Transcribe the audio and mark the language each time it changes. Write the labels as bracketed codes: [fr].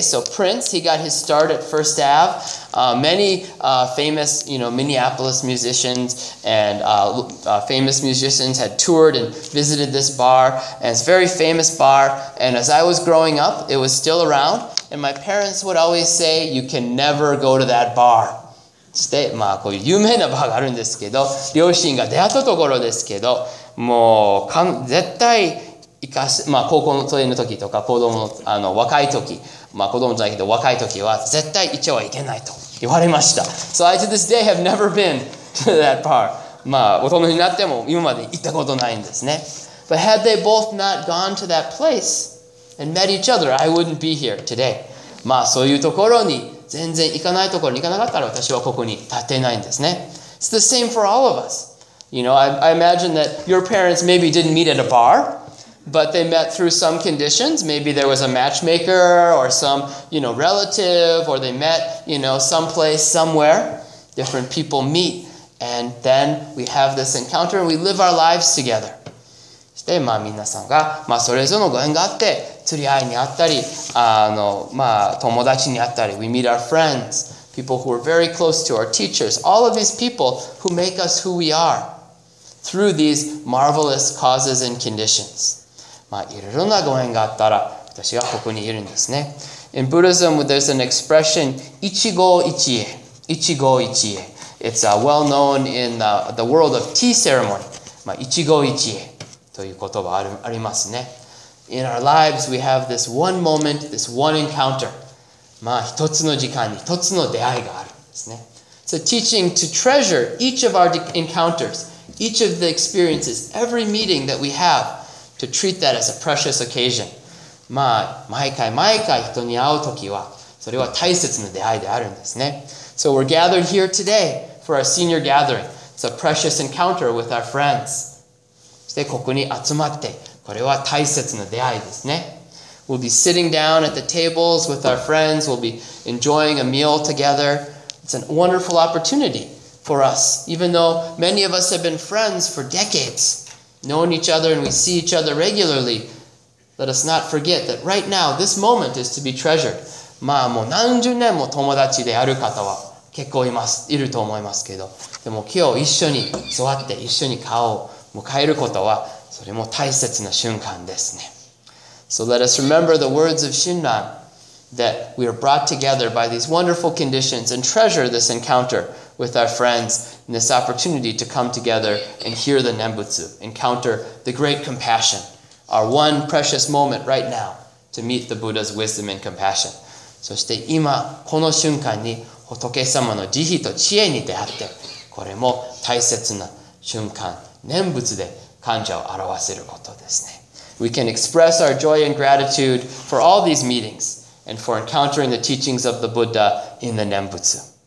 [en] So Prince, he got his start at First Ave. Many famous, you know, Minneapolis musicians and famous musicians had toured and visited this bar. And it's a very famous bar. And as I was growing up, it was still around. And my parents would always say, you can never go to that bar. [ja] して、まあ、こういう有名なバーがあるんですけど、両親が出会ったところですけど、もう、絶対、行かせ、まあ、高校の年の時とか、子供の、若い時、まあ、子供じゃないけど、若い時は、絶対行っちゃいけないと言われました。 [en] So I to this day have never been to that bar. [ja] まあ、大人になっても、今まで行ったことないんですね。 [en] But had they both not gone to that place and met each other, I wouldn't be here today. [ja] まあ、そういうところに全然行かないところに行かなかったら私はここに立てないんですね。 [en] It's the same for all of us. You know, I imagine that your parents maybe didn't meet at a bar, but they met through some conditions. Maybe there was a matchmaker or some, you know, relative, or they met, you know, someplace, somewhere. Different people meet, and then we have this encounter and we live our lives together. [ja] でまあ、皆さんが、まあ、それぞれのご縁があって釣り合いに会ったりまあ、友達に会ったり [en] We meet our friends, people who are very close to our teachers, all of these people who make us who we are through these marvelous causes and conditions. [ja] まあ、いろいろなご縁があったら私はここにいるんですね。 [en] In Buddhism, there's an expression 一期一会。一期一会。 It's well known in the world of tea ceremony. [ja] まあ、一期一会。という言葉ありますね。 [en] In our lives, we have this one moment, this one encounter. [ja] まあ、一つの時間に一つの出会いがあるんですね。 [en] So teaching to treasure each of our encounters, each of the experiences, every meeting that we have, to treat that as a precious occasion. [ja] まあ、毎回毎回人に会うときは、それは大切な出会いであるんですね。 [en] So we're gathered here today for our senior gathering. It's a precious encounter with our friends. [ja] でここに集まって、これは大切な出会いですね。 [en] We'll be sitting down at the tables with our friends. We'll be enjoying a meal together. It's a wonderful opportunity for us. Even though many of us have been friends for decades, known each other and we see each other regularly, let us not forget that right now, this moment is to be treasured. [ja] まあもう何十年も友達である方は結構いると思いますけど、でも今日一緒に座って一緒に顔を迎えることはそれも大切な瞬間ですね。 [en] So let us remember the words of Shinran that we are brought together by these wonderful conditions and treasure this encounter with our friends and this opportunity to come together and hear the Nembutsu, encounter the great compassion, our one precious moment right now to meet the Buddha's wisdom and compassion. [ja] そして今この瞬間に仏様の慈悲と知恵に出会ってこれも大切な瞬間念仏で感謝を表せることですね。 [en] We can express our joy and gratitude for all these meetings and for encountering the teachings of the Buddha in the 念仏。